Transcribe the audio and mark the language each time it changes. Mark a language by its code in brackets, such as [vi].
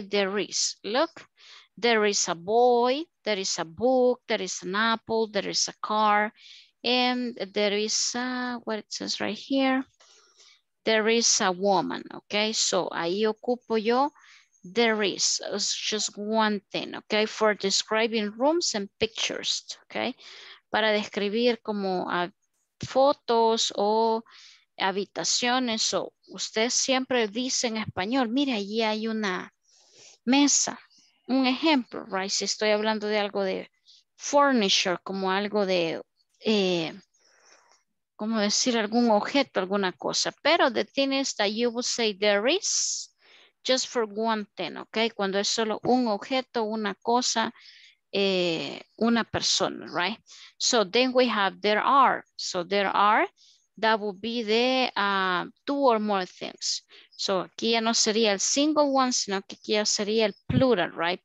[en] There is, look, there is a boy, there is a book, there is an apple, there is a car, and there is a, what it says right here, there is a woman, okay? So [es] ahí ocupo yo, [en] there is, it's just one thing, okay? For describing rooms and pictures, okay? [es] Para describir como a fotos o habitaciones, o usted siempre dice en español, mire, allí hay una mesa. Un ejemplo, right? Si estoy hablando de algo de furniture, como algo de, ¿cómo decir? Algún objeto, alguna cosa. [en] Pero the thing is that you will say there is just for one thing, ¿ok? [es] Cuando es solo un objeto, una cosa. Una persona, right? [en] So then we have there are. So there are, that would be the two or more things. [es] So aquí ya no sería el [en] single one, [es] sino que aquí ya sería el plural, right?